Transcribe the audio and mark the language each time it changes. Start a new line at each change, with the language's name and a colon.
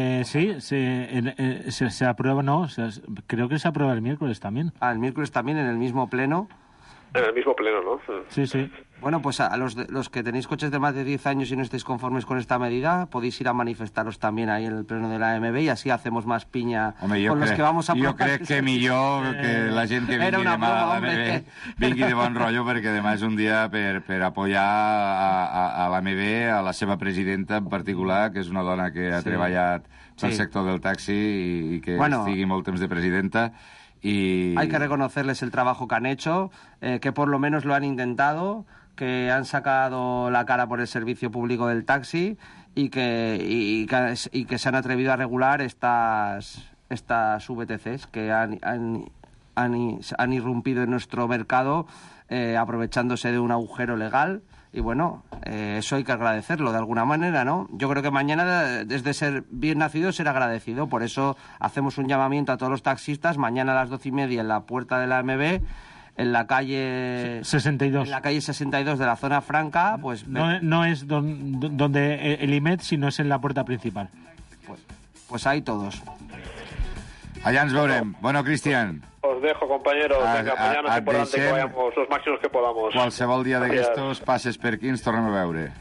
Spanish: Se aprueba, ¿no? Creo que se aprueba el miércoles también. Ah, el miércoles también, en el mismo pleno. En el mismo pleno, ¿no? Sí. Bueno, pues a los que tenéis coches de más de 10 años y no estáis conformes con esta medida, podéis ir a manifestaros también ahí en el pleno de la AMB y así hacemos más piña. Hombre, con los que vamos a
Catalan: aprobar. Yo crec que millor que la gent que vingui demà a l'AMB vingui de bon rotllo, perquè demà és un dia per apoyar a l'AMB, a la seva presidenta en particular, que és una dona que ha treballat pel sector del taxi i que estigui molt temps de presidenta.
Spanish: Y hay que reconocerles el trabajo que han hecho, que por lo menos lo han intentado, que han sacado la cara por el servicio público del taxi y que se han atrevido a regular estas VTCs que han irrumpido en nuestro mercado, aprovechándose de un agujero legal. Y bueno, eso hay que agradecerlo de alguna manera, ¿no? Yo creo que mañana, desde ser bien nacido, ser agradecido. Por eso hacemos un llamamiento a todos los taxistas. Mañana a las 12:30 en la puerta de la AMB, en la calle 62. En la calle 62 de la zona franca, pues No es donde el IMED, sino es en la puerta principal. Pues ahí todos.
Catalan: Allá nos veurem. Bueno, Cristian.
Spanish: Os dejo, compañeros. Venga, mañana por delante, que vayamos los máximos que podamos.
Catalan: Qualsevol dia d'aquestos, passes per aquí, ens tornem a veure.